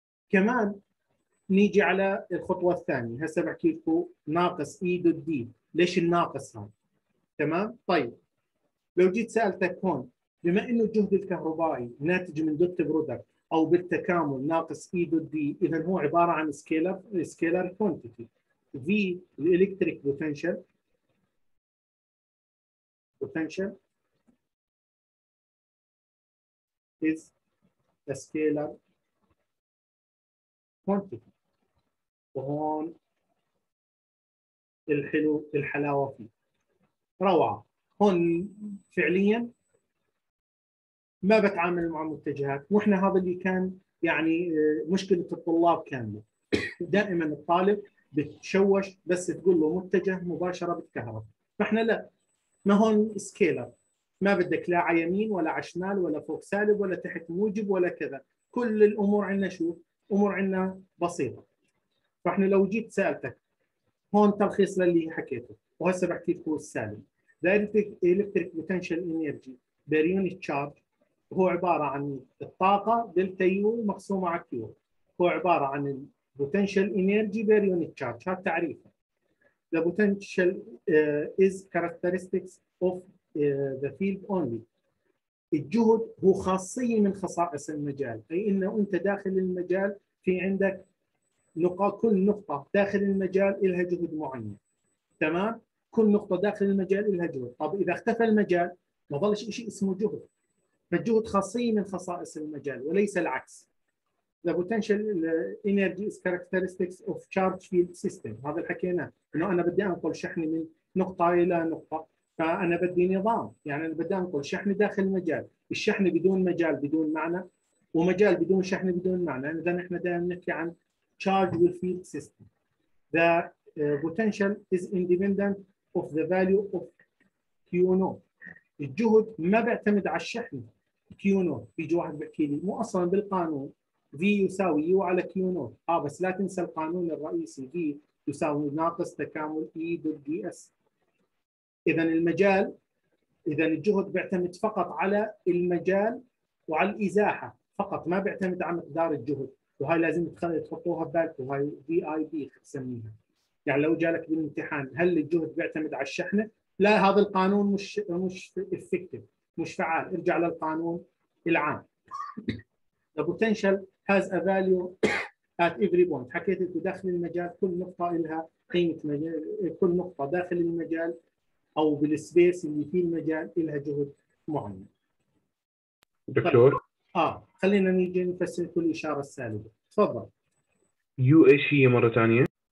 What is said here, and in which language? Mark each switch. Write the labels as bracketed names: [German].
[Arabic] كمان نيجي على الخطوة الثانية، هسه بحكي لكم ناقص E دوت D. ليش الناقص هون؟ تمام. طيب لو جيت سألتك هون، بما إنه الجهد الكهربائي ناتج من دوت برودكت أو بالتكامل ناقص E دوت D، إذا هو عبارة عن [English] scalar quantity. V الإلكتريك بوتنشال، potential is a scalar quantity. [Arabic] وهون الحلو الحلاوة فيه، روعة. هون فعليا ما بتعامل مع متجهات، واحنا هذا اللي كان يعني مشكلة الطلاب كاملة. دائما الطالب بتشوش بس تقول له متجه مباشرة بالكهرباء، فاحنا لا، ما هون سكيلر، ما بدك لا على يمين ولا على شمال ولا فوق سالب ولا تحت موجب ولا كذا. كل الأمور عندنا شو؟ أمور عندنا بسيطة. فإحنا لو جيت سألتك هون تلخيص للي حكيته، وهسه بحكي لكم السالب. [English] دايركتيك electric potential energy per unit charge [Arabic] هو عبارة عن الطاقة دلتا يو مقسومة على كيو، هو عبارة عن [English] البوتنشال energy per unit charge. [Arabic] هذا تعريفه. [English] The potential is characteristics of the field only. [Arabic] الجهد هو خاصية من خصائص المجال، أي إنه أنت داخل المجال في عندك نقاط، كل نقطة داخل المجال إلها جهد معين. تمام؟ كل نقطة داخل المجال إلها جهد. طب إذا اختفى المجال ما ظلش إشي اسمه جهد. فالجهد خاصية من خصائص المجال وليس العكس. [English] The potential energy is characteristics of charge field system. [Arabic] هذا الحكينا، إنه أنا بدي أنقل شحني من نقطة إلى نقطة، فأنا بدي نظام. يعني أنا بدي أنقل شحني داخل المجال، الشحن بدون مجال بدون معنى، ومجال بدون شحن بدون معنى. إذا نحن دائما نحكي عن [English] charge field system. The potential is independent of the value of Q naught. [Arabic] الجهد ما بعتمد على الشحن Q naught. بيجي واحد بحكي لي مو أصلاً بالقانون V يساوي U على Q نوت. بس لا تنسى القانون الرئيسي V يساوي ناقص تكامل E دوت دي اس. إذا المجال، إذا الجهد بيعتمد فقط على المجال وعلى الإزاحة فقط، ما بيعتمد على مقدار الجهد. وهي لازم تحطوها ببالكم، هاي VIB تسميها. يعني لو جالك بالامتحان هل الجهد بيعتمد على الشحنة؟ لا، هذا القانون مش [English] effective، [Arabic] مش فعال. ارجع للقانون العام. [English] The potential has a value at every point. [Arabic] حكيت إنه داخل المجال كل نقطة إلها قيمة مجال، كل نقطة داخل المجال أو بالسبيس اللي في المجال إلها جهد معين. دكتور. خلينا نيجي نفسر كل إشارة سالبة. تفضل. U إيش هي مرة تانية؟